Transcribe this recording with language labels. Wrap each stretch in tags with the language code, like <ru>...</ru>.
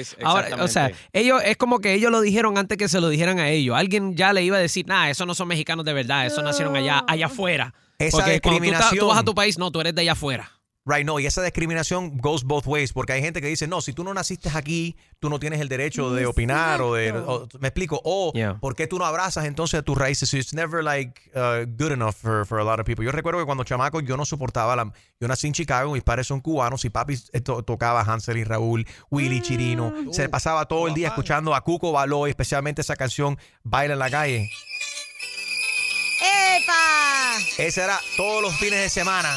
<es>Ahora, o sea, ellos es como que ellos lo dijeron antes que se lo dijeran a ellos. Alguien ya le iba a decir, nada, esos no son mexicanos de verdad, esos nacieron allá afuera. esa porque discriminación. Cuando tú vas a tu país, no, tú eres de allá afuera.</es> <en>Right,</en> <es>no, y esa discriminación</es> <en>goes both ways,</en> <es>porque hay gente que dice, no, si tú no naciste aquí, tú no tienes el derecho de opinar o de, o, ¿me explico? O,</es> <en>yeah.</en> <es>¿Por qué tú no abrazas entonces a tus raíces?</es> <en>It's never like good enough for a lot of people.</en> <es>Yo recuerdo que cuando chamaco yo no soportaba la, yo nací en Chicago, mis padres son cubanos y papi tocaba Hansel y Raúl, Willy Chirino, se pasaba todo el día escuchando a Cuco Baloy, especialmente esa canción Baila en la Calle. ¡Epa! Ese era todos los fines de semana.</es>